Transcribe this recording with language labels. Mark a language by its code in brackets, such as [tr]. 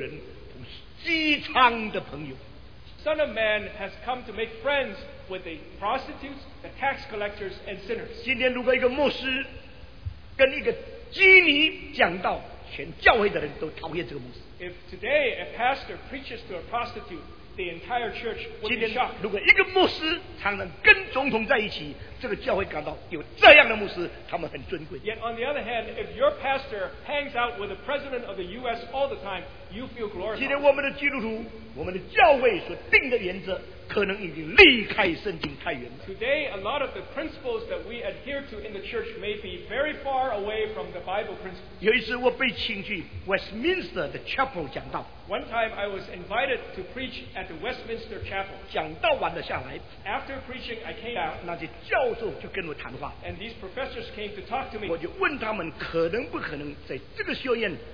[zh] 人子是罪吏同罪人同饥娼的朋友。 [en] Son of man has come to make friends with the prostitutes, the tax collectors, and sinners. If today a pastor preaches to a prostitute, the entire church would be shocked. Yet on the other hand, if your pastor hangs out with the president of the U.S. all the time, you feel glorified. Today, a lot of the principles that we adhere to in the church may be very far away from the Bible principles. [zh] 有一次我被请去 Westminster的 Chapel 讲道。 [en] One time, I was invited to preach at the Westminster Chapel. [zh] 讲道完了下来, [en] after preaching, I came out. [zh] 那些教授就跟我谈话, [en] and these professors came to talk to me. [zh] 我就问他们可能不可能在这个学院